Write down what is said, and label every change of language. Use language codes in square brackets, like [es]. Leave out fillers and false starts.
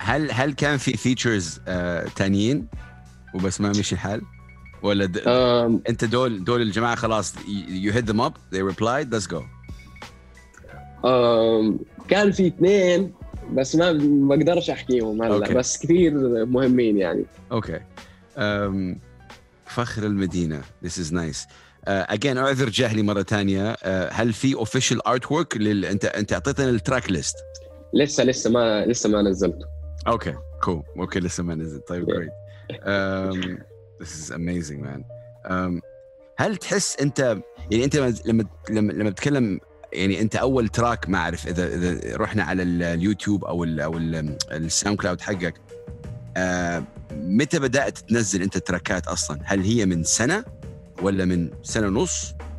[ar] هل كان في فيتشرز تانيين وبس ما مشي الحال، ولا أنت دول الجماعة خلاص [en] you hit them up they replied let's go؟ [ar] كان في اثنين بس ما بقدرش احكيهم هلا. okay. بس كثير مهمين يعني. [en] Okay. فخر المدينه، this is nice. [ar] again اعذر جهلي مره ثانيه، هل في official artwork انت اعطيتنا التراك ليست؟ لسه ما نزلته. [en] Okay cool. Okay [ar] لسه ما نزلت. طيب [en] great. this is amazing man. [ar] هل تحس انت يعني انت لما تتكلم يعني انت اول تراك، ما اعرف اذا رحنا على اليوتيوب او الساوند كلاود حقك، متى بدات تنزل انت تراكات اصلا؟ هل هي من سنه ولا من سنه ونص؟